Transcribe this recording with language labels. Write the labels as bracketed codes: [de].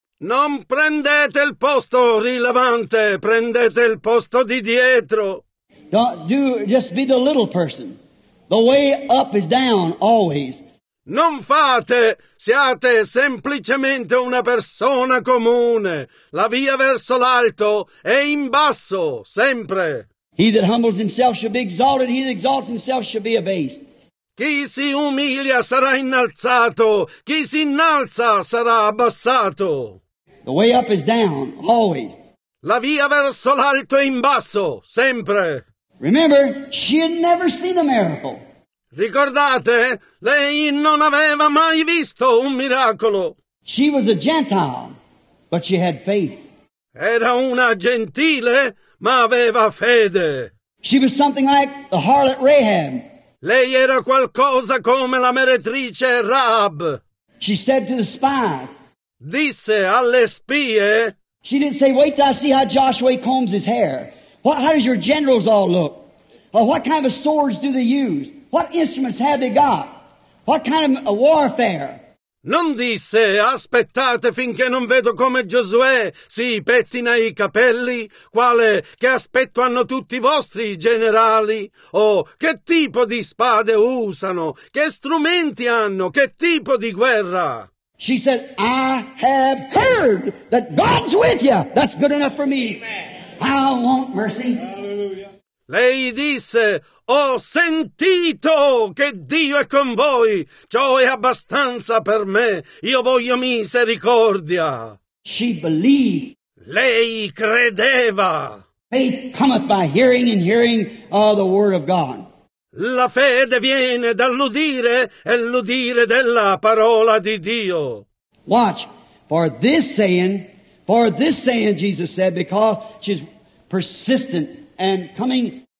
[it] Non prendete il posto rilevante, prendete il posto di dietro. [en] Just be the little person. The way up is down, always. [it] Non fate, siate semplicemente una persona comune. La via verso l'alto è in basso, sempre. [en] He that humbles himself shall be exalted, he that exalts himself shall be abased. [it] Chi si umilia sarà innalzato, chi si innalza sarà abbassato. [en] The way up is down, always. [it] La via verso l'alto è in basso, sempre. [en] Remember, she had never seen a miracle. [it] Ricordate, lei non aveva mai visto un miracolo. [en] She was a Gentile, but she had faith. [it] Era una gentile, ma aveva fede. [en] She was something like the harlot Rahab. [it] Lei era qualcosa come la meretrice Rahab. [en] She said to the spies. [it] Disse alle spie. [en] She didn't say, wait till I see how Joshua combs his hair. How does your generals all look? What kind of swords do they use? What instruments have they got? What kind of a warfare? [it] Non disse, aspettate finché non vedo come Giosuè si pettina i capelli, quale che aspetto hanno tutti i vostri generali, o che tipo di spade usano, che strumenti hanno, che tipo di guerra. [en] She said, I have heard that God's with you. That's good enough for me. Amen. I want mercy. [it] Lei disse, ho sentito che Dio è con voi, ciò è abbastanza per me, io voglio misericordia. [en] She believed. [it] Lei credeva. [en] Faith cometh by hearing and hearing the word of God. [it] La fede viene dall'udire e l'udire della parola di Dio. [en] Watch, for this saying, Jesus said, because she's persistent and coming.